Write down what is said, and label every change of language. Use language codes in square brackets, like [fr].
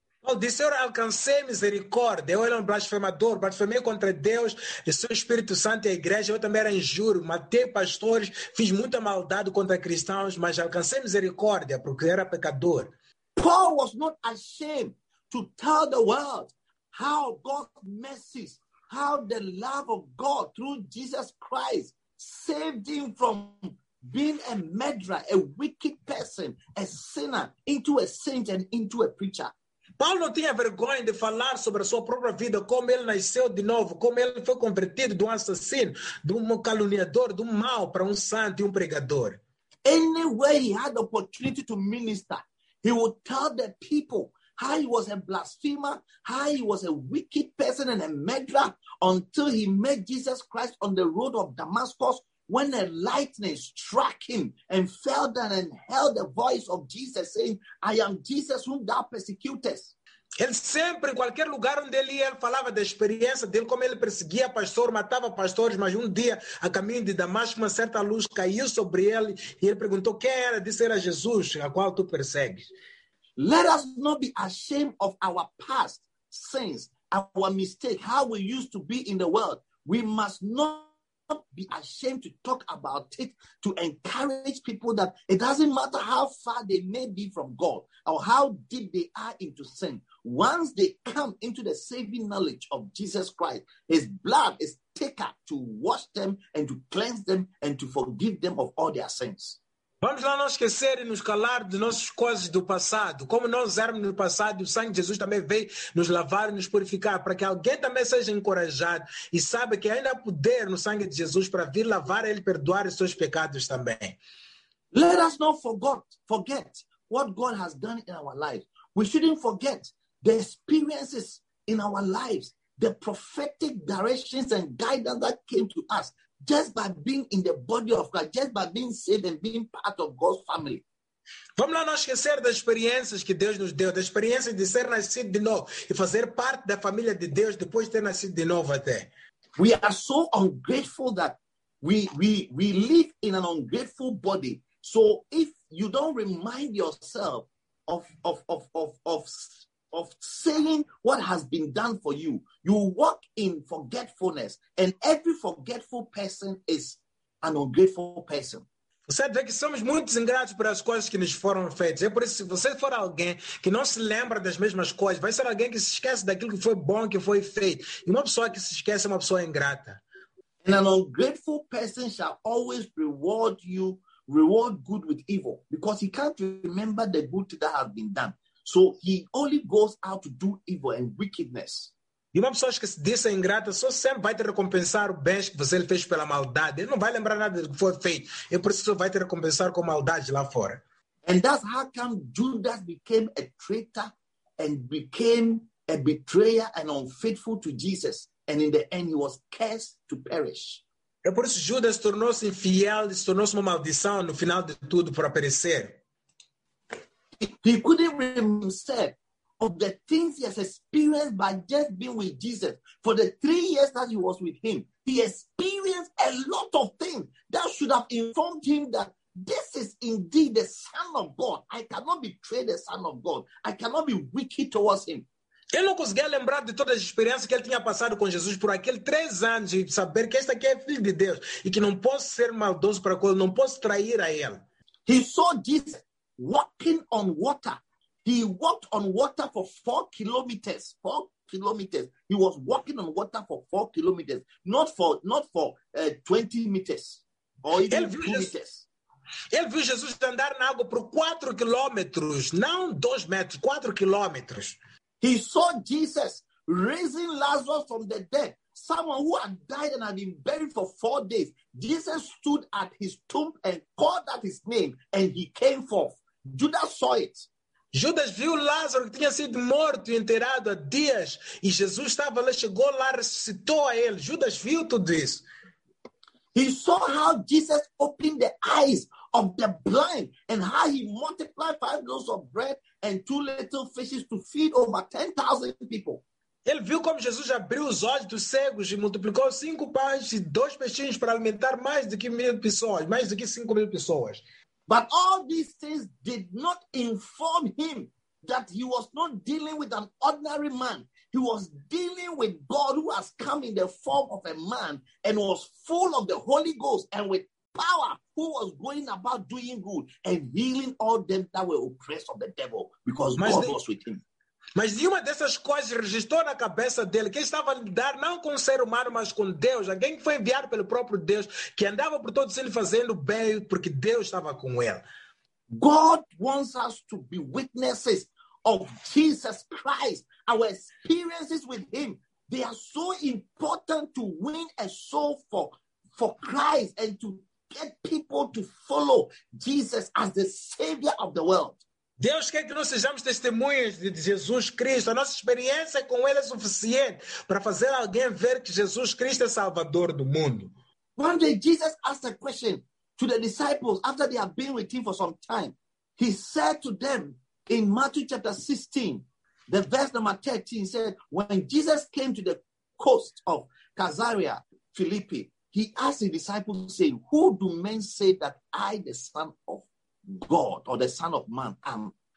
[pt] Paulo disse, eu alcancei misericórdia, eu era um blasfemador, blasfemei contra Deus, o seu Espírito Santo e a igreja, eu também era injúrio, matei pastores, fiz muita maldade contra cristãos, mas alcancei misericórdia porque era pecador. [en] Paul was not ashamed to tell the world how God's mercies, how the love of God through Jesus Christ saved him from being a murderer, a wicked person, a sinner, into a saint and into a preacher. [pt] Paulo não tinha vergonha de falar sobre a sua própria vida, como ele nasceu de novo, como ele foi convertido de um assassino, de um caluniador, de um mal para um santo e um pregador. [en] Anywhere he had the opportunity to minister, he would tell the people how he was a blasphemer, how he was a wicked person and a murderer, until he met Jesus Christ on the road of Damascus, when a lightning struck him and fell down and heard the voice of Jesus saying, I am Jesus whom thou persecutest. [pt] Ele sempre, em qualquer lugar onde ele ia, ele falava da experiência dele, como ele perseguia pastor, matava pastores, mas dia, a caminho de Damasco, uma certa luz caiu sobre ele e ele perguntou, quem era? Disse, era Jesus, a qual tu persegues. [en] Let us not be ashamed of our past sins, our mistake, how we used to be in the world. We must not be ashamed to talk about it, to encourage people that it doesn't matter how far they may be from God or how deep they are into sin. Once they come into the saving knowledge of Jesus Christ, his blood is thicker to wash them and to cleanse them and to forgive them of all their sins. [pt] Vamos lá não esquecer e nos calar de nossas coisas do passado. Como nós éramos no passado, o sangue de Jesus também veio nos lavar e nos purificar, para que alguém também seja encorajado e saiba que ainda há poder no sangue de Jesus para vir lavar e perdoar os seus pecados também. [en] Let us not forget what God has done in our lives. We shouldn't forget the experiences in our lives, the prophetic directions and guidance that came to us. Just by being in the body of God, just by being saved and being part of God's family. [pt] Vamos lá não esquecer das experiências que Deus nos deu, da experiência de ser nascido de novo e fazer parte da família de Deus depois de ter nascido de novo até. [en] We are so ungrateful that we live in an ungrateful body. So if you don't remind yourself of saying what has been done for you, you walk in forgetfulness, and every forgetful person is an ungrateful person. [pt] Você vê que somos muito ingratos por as coisas que nos foram feitas. É por isso, se você for alguém que não se lembra das mesmas coisas, vai ser alguém que se esquece daquilo que foi bom, que foi feito. E uma pessoa que se esquece é uma pessoa ingrata. [en] And an ungrateful person shall always reward good with evil, because he can't remember the good that has been done. So he only goes out to do evil and wickedness. [pt] E uma pessoa que se diz ingrata só sempre vai te recompensar o bem que você fez pela maldade. Ele não vai lembrar nada do que foi feito. E por isso vai te recompensar com maldade lá fora. [en] And that's how come Judas became a traitor and became a betrayer and unfaithful to Jesus. And in the end, he was cursed to perish. [pt] É por isso que Judas tornou-se infiel, tornou-se uma maldição no final de tudo para perecer. [en] He couldn't remember himself of the things he has experienced by just being with Jesus for the 3 years that he was with him. He experienced a lot of things that should have informed him that this is indeed the Son of God. I cannot betray the Son of God. I cannot be wicked towards him. [pt] Ele não conseguia lembrar de todas as experiências que ele tinha passado com Jesus por aqueles 3 anos e saber que este aqui é filho de Deus e que não posso ser maldoso para com ele, não posso trair a ele. [en] He saw Jesus walking on water. He walked on water for 4 kilometers. 4 kilometers. He was walking on water for 4 kilometers. Not for 20 meters. Or even 2 meters. [pt] Ele viu Jesus andar na água por 4 quilômetros. Não 2 metros, 4 quilômetros. [en] He saw Jesus raising Lazarus from the dead. Someone who had died and had been buried for 4 days. Jesus stood at his tomb and called out his name and he came forth. Judas saw it. [pt] Judas viu Lázaro que tinha sido morto e enterrado há dias e Jesus estava lá, chegou lá, ressuscitou a ele. Judas viu tudo isso. [en] He saw how Jesus opened the eyes of the blind and how he multiplied 5 loaves of bread and 2 little fishes to feed over 10,000 people. [pt] Ele viu como Jesus abriu os olhos dos cegos e multiplicou 5 pães e 2 peixinhos para alimentar mais de 5 mil pessoas. [en] But all these things did not inform him that he was not dealing with an ordinary man. He was dealing with God who has come in the form of a man and was full of the Holy Ghost and with power, who was going about doing good and healing all them that were oppressed of the devil because God was with him. [pt] Mas nenhuma dessas coisas registrou na cabeça dele que ele estava a lidar não com um ser humano, mas com Deus. Alguém que foi enviado pelo próprio Deus, que andava por todos eles fazendo bem, porque Deus estava com ele. [en] God wants us to be witnesses of Jesus Christ. Our experiences with him, they are so important to win a soul for Christ and to get people to follow Jesus as the Savior of the world. [pt] Deus quer que nós sejamos testemunhas de Jesus Cristo. A nossa experiência com Ele é suficiente para fazer alguém ver que Jesus Cristo é Salvador do mundo. [en] One day, Jesus asked a question to the disciples after they had been with Him for some time. He said to them in Matthew chapter 16, the verse number 13, said, when Jesus came to the coast of Caesarea Philippi, He asked His disciples, saying, who do men say that I, the Son of God, or the Son of Man, am.